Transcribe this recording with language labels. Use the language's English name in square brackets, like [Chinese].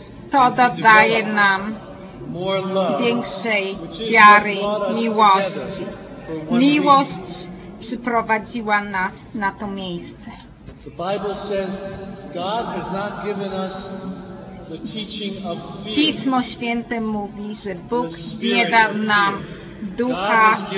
[Polish] To dodaje nam większej wiary, miłości. Miłość przyprowadziła nas na to miejsce. [English] The Bible says God has not given us the teaching of fear. [Polish] Pismo Święte mówi, że Bóg nie dał nam Ducha,